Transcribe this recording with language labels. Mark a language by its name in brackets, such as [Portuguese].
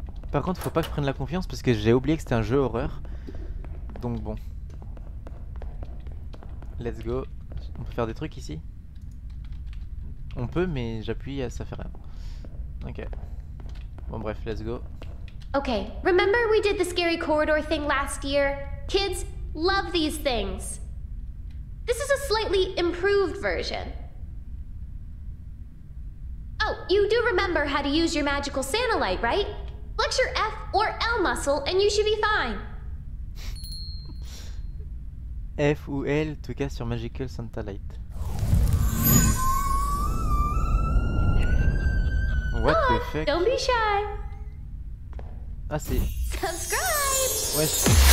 [French] Par contre, faut pas que je prenne la confiance parce que j'ai oublié que c'était un jeu horreur. Donc bon. [English] Let's go. [French] On peut faire des trucs ici? On peut, mais j'appuie, ça fait rien. Ok. Bon bref, [English] let's go. Ok, remember we did the scary corridor thing last year? Kids love these things. This is a slightly improved version. Oh, you do remember how to use your magical Santa light, right? Flex your F or L muscle and you should be fine. [French] F ou L, en tout cas sur Magical Santa Light. [English] What the fuck? Don't be shy. [French] Ah c'est... [English] Subscribe. [French] Wesh.